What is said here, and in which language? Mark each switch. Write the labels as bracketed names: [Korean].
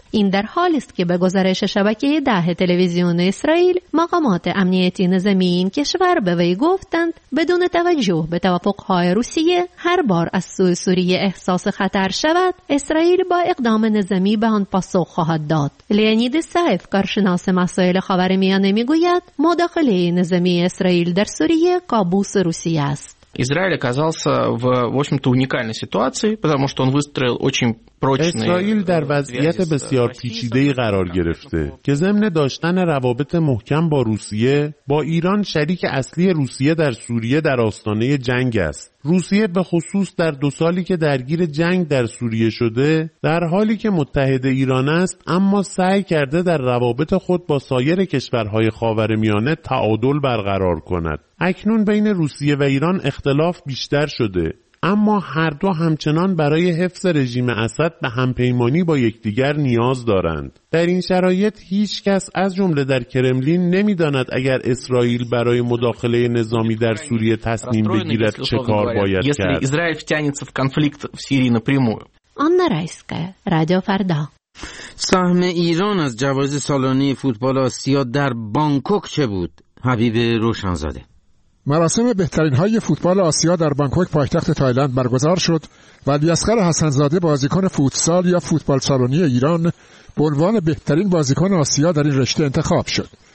[Persian] این در حال است که به گزارش شبکه 10 تلویزیون اسرائیل، مقامات امنیتی نظامی این کشور به وی گفتند بدون توجه به توافق‌های روسیه، هر بار از سوی سوریه احساس خطر شود، اسرائیل با اقدام نظامی به آن پاسخ خواهد داد. لئونید سایف، کارشناس مسائل خاورمیانه، میگوید مداخله نظامی اسرائیل در سوریه کابوس روسیه است. [Russian] Израиль оказался в, в общем-то, уникальной ситуации, потому что он выстроил очень [Persian] اسرائیل در وضعیت بسیار پیچیده‌ای قرار گرفته که ضمن داشتن روابط محکم با روسیه، با ایران شریک اصلی روسیه در سوریه در آستانه جنگ است. روسیه به خصوص در دو سالی که درگیر جنگ در سوریه شده، در حالی که متحد ایران است اما سعی کرده در روابط خود با سایر کشورهای خاورمیانه تعادل برقرار کند. اکنون بین روسیه و ایران اختلاف بیشتر شده، اما هر دو همچنان برای حفظ رژیم اسد به همپیمانی با یکدیگر نیاز دارند. در این شرایط هیچ کس از جمله در کرملین نمی داند اگر اسرائیل برای مداخله نظامی در سوریه تصمیم بگیرد چه کار باید کرد. [Russian] اسرائیل втянется в конфликт в Сирии напрямую. Анна Райская, Радио Фарда. [Persian] سهم ایران از جوایز سالانه فوتبال آسیا در بانکوک چه بود؟ حبیب روشنزاده. مراسم بهترین های فوتبال آسیا در بانکوک پایتخت تایلند برگزار شد و علی‌اصغر حسن‌زاده بازیکن فوتسال یا فوتبال سالنی ایران به عنوان بهترین بازیکن آسیا در این رشته انتخاب شد.